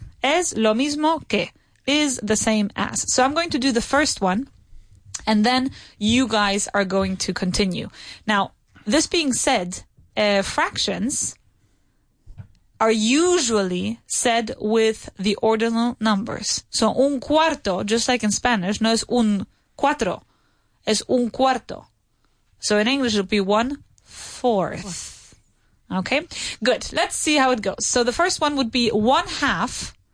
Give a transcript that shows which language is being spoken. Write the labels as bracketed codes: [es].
[es] Es lo mismo que. [en] Is the same as. So I'm going to do the first one, and then you guys are going to continue. Now, this being said, fractions are usually said with the ordinal numbers. [es] So un cuarto, [en] just like in Spanish, [es] no es un cuatro, es un cuarto. [en] So in English, it'll be 1/4. Okay, good. Let's see how it goes. So the first one would be 1/2.